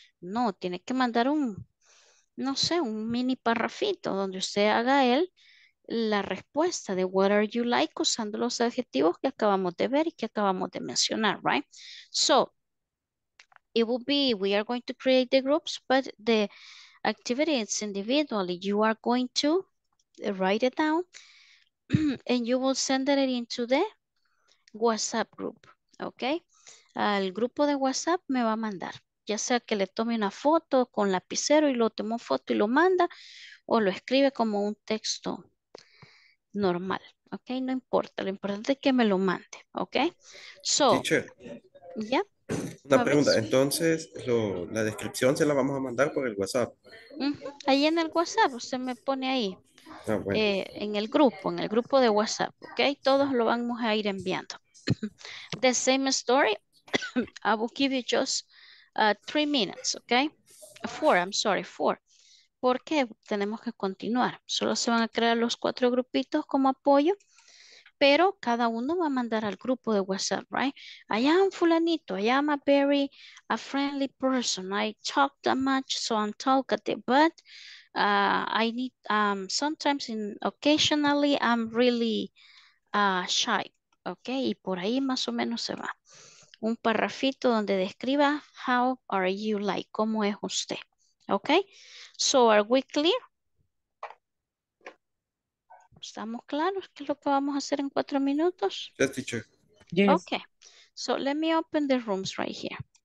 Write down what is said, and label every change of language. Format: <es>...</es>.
<es>No, tiene que mandar un, no sé, un mini parrafito donde usted haga él la respuesta de</es> <en>what are you like</en> <es>usando los adjetivos que acabamos de ver y que acabamos de mencionar, right?</es> <en>So, it will be, we are going to create the groups, but the activity is individually. You are going to write it down. And you will send it into the WhatsApp group, okay?</en> <es>Al grupo de WhatsApp me va a mandar, ya sea que le tome una foto con lapicero y lo tomó foto y lo manda, o lo escribe como un texto normal, okay? No importa, lo importante es que me lo mande, okay? So,</es> <en>teacher,</en> <es>¿ya? Una pregunta, entonces la descripción se la vamos a mandar por el WhatsApp. Ahí en el WhatsApp, usted me pone ahí. Ah, bueno. En el grupo de WhatsApp, okay, todos lo vamos a ir enviando.</es> <en>The same story. I will give you just 3 minutes, okay?</en> <es>Four. Porque tenemos que continuar. Solo se van a crear los 4 grupitos como apoyo, pero cada uno va a mandar al grupo de WhatsApp, right?</es> <en>I am fulanito. I am a friendly person. I talk that much, so I'm talkative, but I need sometimes in occasionally I'm really shy, okay?</en> <es>Y por ahí más o menos se va un parrafito donde describa</es> <en>how are you like,</en> <es>cómo es usted, okay?</es> <en>So are we clear?</en> <es>Estamos claros qué es lo que vamos a hacer en 4 minutos.</es> <en>Yes, teacher. Yes. Okay. So let me open the rooms right here.</en>